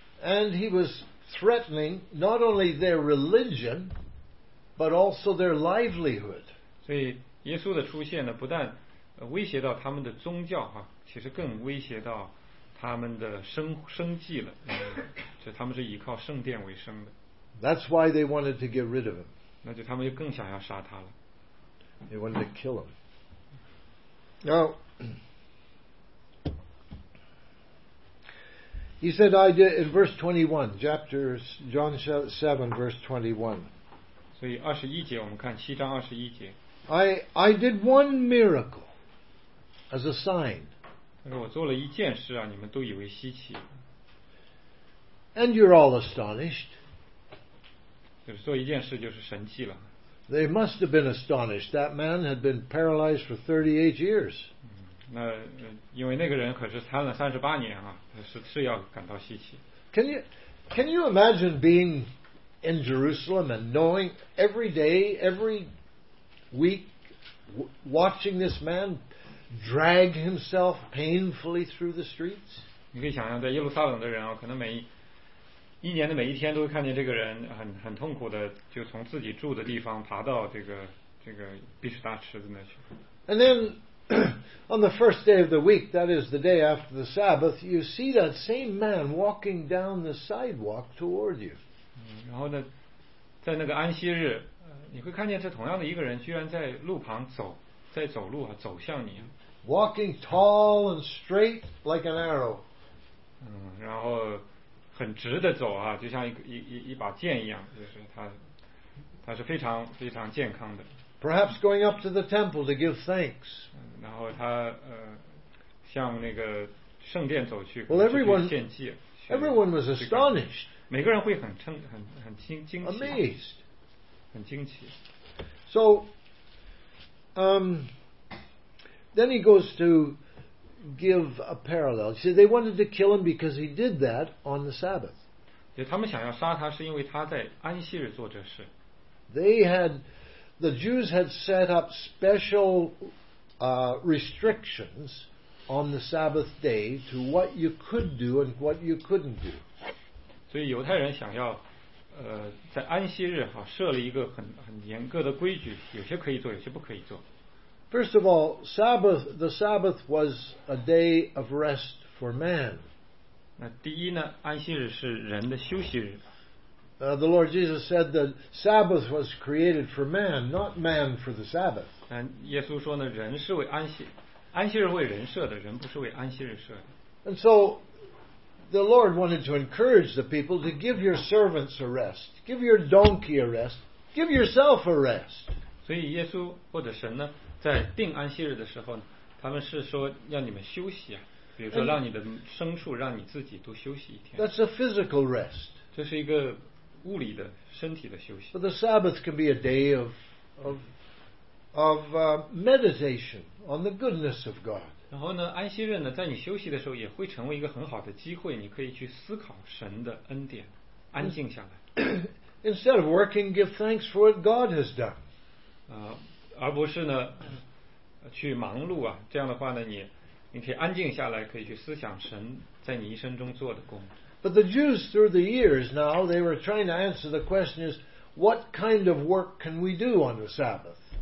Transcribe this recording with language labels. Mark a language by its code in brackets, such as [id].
[en] And he was threatening not only their religion, but also their livelihood. [zh] 所以耶稣的出现呢，不但威胁到他们的宗教哈，其实更威胁到他们的生计了。就他们是依靠圣殿为生的。 [en] That's why they wanted to get rid of him. [zh] 那就他们就更想要杀他了。 [en] They wanted to kill him. Now. He said, "I did in verse 21, chapter John 7, verse 21." [zh] 所以二十一节，我们看七章二十一节。 [en] I did one miracle as a sign. [zh] 他说我做了一件事啊，你们都以为稀奇。 [en] And you're all astonished. [zh] 就是做一件事就是神迹了。 [en] They must have been astonished. That man had been paralyzed for 38 years. [zh] 那因为那个人可是瘫了38年啊，是要感到稀奇。 [en] Can you imagine being in Jerusalem and knowing every day, every week, watching this man drag himself painfully through the streets? [zh] 你可以想象，在耶路撒冷的人啊，可能每一年的每一天都会看见这个人很痛苦的，就从自己住的地方爬到这个毕士大池子那去。 [en] And then on the first day of the week, that is the day after the Sabbath, you see that same man walking down the sidewalk toward you. [zh] 然后呢，在那个安息日，你会看见这同样的一个人居然在路旁走，在走路啊，走向你。 [en] Walking tall and straight like an arrow. [zh] 然后。很直的走啊，就像一把剑一样，就是他是非常非常健康的。 [en] Perhaps going up to the temple to give thanks. [zh] 然后他向那个圣殿走去。 [en] Well, everyone, [zh] 献祭。 [en] Everyone was astonished. [zh] 每个人会很惊奇。 [en] Amazed. [zh] 很惊奇。 [en] So, then he goes to. Give a parallel. See, they wanted to kill him because he did that on the Sabbath. [zh] 就他们想要杀他，是因为他在安息日做这事。 [en] They had, the Jews had set up special restrictions on the Sabbath day to what you could do and what you couldn't do. [zh] 所以犹太人想要在安息日哈设立一个很严格的规矩，有些可以做，有些不可以做。 [en] First of all, Sabbath, the Sabbath was a day of rest for man. [zh] 那第一呢，安息日是人的休息日。 [en] The Lord Jesus said that Sabbath was created for man, not man for the Sabbath. [zh] 但耶稣说呢，人是为安息日为人设的，人不是为安息日设的。 [en] And so. The Lord wanted to encourage the people to give your servants a rest, give your donkey a rest, give yourself a rest. [zh] 所以耶稣或者神呢，在定安息日的时候呢，他们是说让你们休息啊，比如说让你的牲畜，让你自己都休息一天。 [en] That's a physical rest. [zh] 这是一个物理的身体的休息。 [en] But the Sabbath can be a day of meditation on the goodness of God. [zh] 然后呢，安息日呢，在你休息的时候，也会成为一个很好的机会，你可以去思考神的恩典，安静下来。 [en] Instead of working, give thanks for what God has done. [zh] 而不是呢，去忙碌啊。这样的话呢，你可以安静下来，可以去思想神在你一生中做的工。 [en] But the Jews through the years now, they were trying to answer the question is, what kind of work can we do on the Sabbath?